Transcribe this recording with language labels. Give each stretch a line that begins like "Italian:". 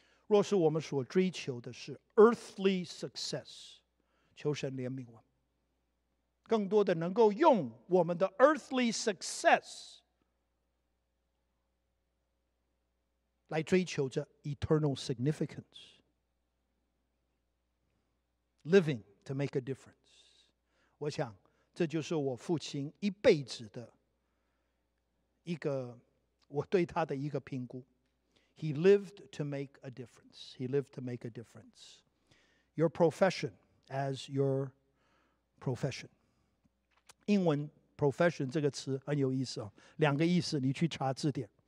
Chinese: 若是我们所追求的是
English: earthly success，
Chinese: 求神怜悯我们，更多的能够用我们的 earthly success 来追求着
English: eternal significance， living to make a difference。
Chinese: 我想这就是我父亲一辈子的一个，我对他的一个评估。
English: He lived to make a difference. He lived to make a difference. Your profession as your profession.
Chinese: 英文 profession 这个词很有意思哦，两个意思，你去查字典。